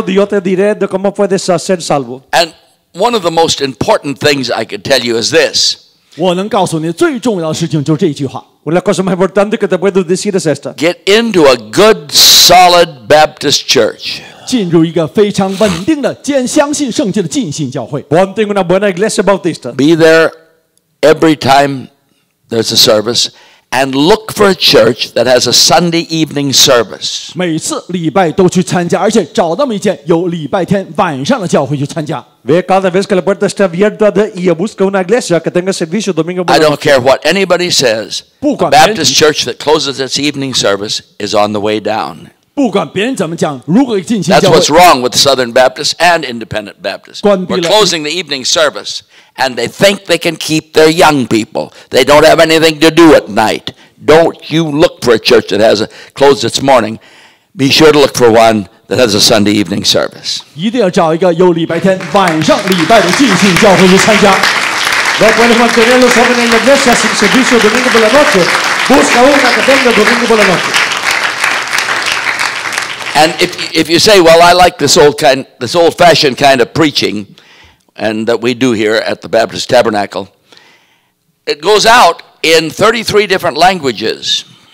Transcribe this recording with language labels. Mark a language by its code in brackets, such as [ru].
[es] Dios te diré de cómo puedes ser salvo. [en] And one of the most important things I could tell you is this. [zh] 我能告诉你最重要的事情就是这一句话。 [es] Una cosa más importante que te puedo decir es esta. [en] Get into a good, solid Baptist church. [zh] 进入一个非常稳定的、坚相信圣经的浸信教会。 [es] Ponte en una buena iglesia bautista. [en] Be there every time there's a service, and look for a church that has a Sunday evening service. [zh] 每次礼拜都去参加，而且找那么一间有礼拜天晚上的教会去参加。 [en] I don't care what anybody says. A Baptist church that closes its evening service is on the way down. That's what's wrong with Southern Baptists and Independent Baptists. We're closing the evening service, and they think they can keep their young people. They don't have anything to do at night. Don't you look for a church that has closed its morning. Be sure to look for one that has a Sunday evening service. [zh] 一定要找一个有礼拜天晚上礼拜的进信教会去参加。 [es] No puedes mantener los jóvenes en la iglesia sin servicio domingo por la noche. Busca una que tenga domingo por la noche. [en] And if you say, well, I like this old-fashioned kind of preaching, and that we do here at the Baptist Tabernacle, it goes out in 33 different languages.